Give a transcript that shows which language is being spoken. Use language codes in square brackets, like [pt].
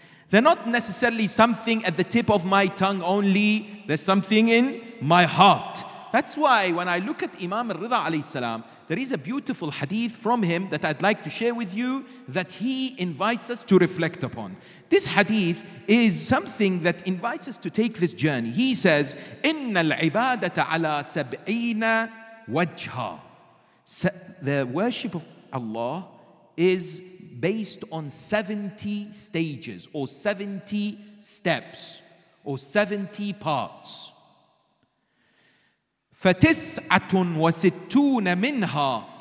[en] They're not necessarily something at the tip of my tongue only, there's something in my heart. That's why when I look at Imam Reza alayhi salam, there is a beautiful hadith from him that I'd like to share with you that he invites us to reflect upon. This hadith is something that invites us to take this journey. He says, [ar] إِنَّ الْعِبَادَةَ عَلَىٰ سَبْعِينَ وَجْهًا. [en] The worship of Allah is based on 70 stages or 70 steps or 70 parts. [ar] فَتِسْعَةٌ وَسِتُّونَ مِنْهَا.